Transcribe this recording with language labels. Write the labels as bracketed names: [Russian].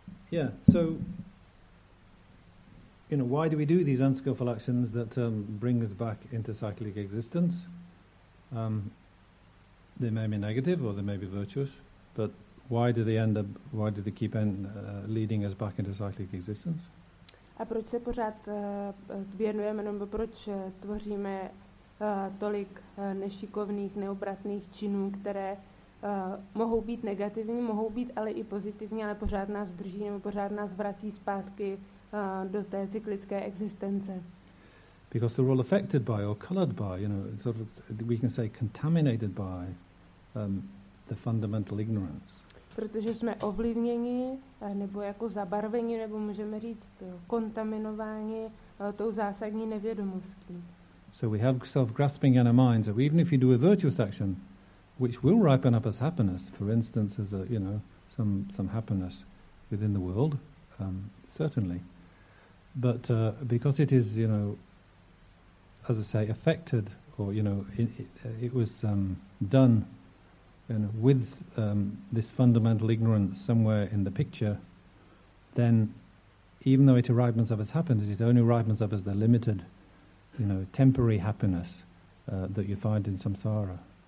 [English] Yeah, so you know, why do we do these unskillful actions that bring us back into cyclic existence? They may be negative or they may be virtuous, but why do they keep leading us back into cyclic existence? [Czech] A proč se pořád věnujeme, nebo proč tvoříme tolik nešikovných, neobratných činů, které mohou být negativní, mohou být ale i pozitivní, ale pořád nás drží nebo pořád nás vrací zpátky do té cyklické existence. [English] Because they're all affected by or colored by, you know, sort of we can say contaminated by the fundamental ignorance. [Czech] Protože jsme ovlivněni nebo jako zabarveni nebo můžeme říct kontaminováni tou zásadní nevědomostí. [English] So we have self-grasping in our minds, so even if you do a virtuous action, which will ripen up as happiness, for instance, as a, you know, some happiness within the world, certainly. But because it is, you know, as I say, affected, or, you know, it was done you know, with this fundamental ignorance somewhere in the picture, then even though it ripens up as happiness, it only ripens up as the limited, you know, temporary happiness that you find in samsara.